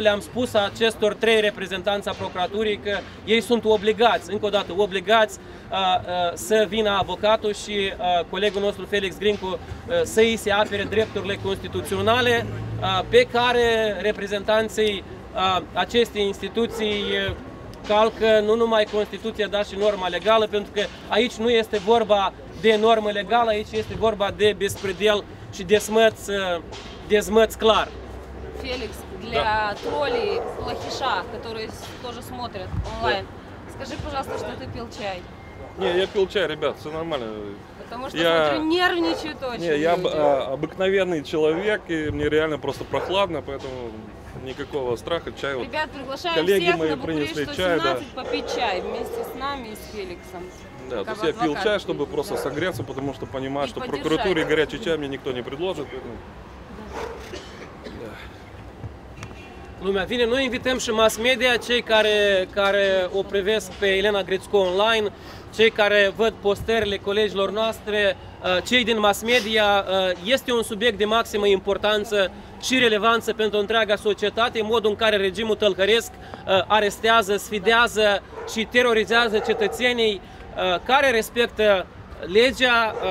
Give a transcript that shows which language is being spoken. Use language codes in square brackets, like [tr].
[ro] Le-am spus a acestor trei reprezentanți a procuraturii că ei sunt obligați, încă o dată, obligați să vină avocatul și colegul nostru Felix Grincu să îi se apere drepturile constituționale pe care reprezentanții acestei instituții calcă nu numai Constituția, dar și norma legală, pentru că aici nu este vorba de normă legală, aici este vorba de bespredel și de smăț clar. [ru] Felix, для троллей Лохиша, которые тоже смотрят онлайн, скажи, пожалуйста, что ты пил чай? Не, я пил чай, ребят, все нормально. Потому что я смотрю, нервничают очень. Не, я обыкновенный человек, и мне реально просто прохладно, поэтому никакого страха, чай. Ребят, приглашаю коллеги всех мои на принесли чай, да. Попить чай вместе с нами и с Феликсом. Да, то есть я пил чай, чтобы и, просто да. согреться, потому что понимаю, и что в прокуратуре горячий чай мне никто не предложит. Да. [ro] Lumea vine, noi invităm și mass-media, cei care o privesc pe Elena Grițco online, cei care văd postările colegilor noastre, cei din mass-media, este un subiect de maximă importanță și relevanță pentru întreaga societate, modul în care regimul tălcăresc arestează, sfidează și terorizează cetățenii care respectă legea.